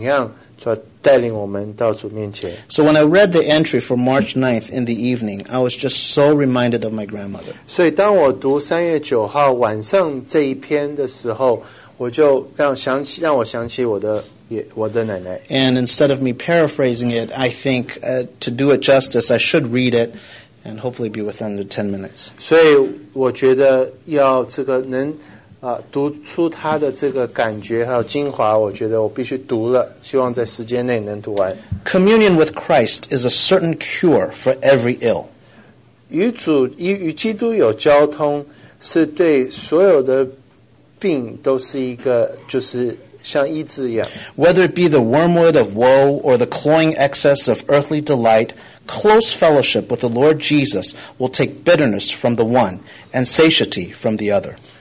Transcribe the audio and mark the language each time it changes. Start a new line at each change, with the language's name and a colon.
Chinese: 所以他每天为我们祷告，他们每一天早上守晨更，都为我们立了个榜样，带领我们到主面前。
English: So when I read the entry for March 9th in the evening, I was just so reminded of my grandmother.
Chinese: 所以当我读3月9号晚上这一篇的时候， 我就让我想起我的奶奶。
English: And instead of me paraphrasing it, I think to do it justice, I should read it and hopefully be within the 10 minutes.
Chinese: 所以我觉得要这个能读出他的这个感觉还有精华， 我觉得我必须读了， 希望在时间内能读完。
English: Communion with Christ is a certain cure for every ill.
Chinese: 与基督有交通是对所有的
English: Whether it be the wormwood of woe or the cloying excess of earthly delight, close fellowship with the Lord Jesus will take bitterness from the one and satiety from the other.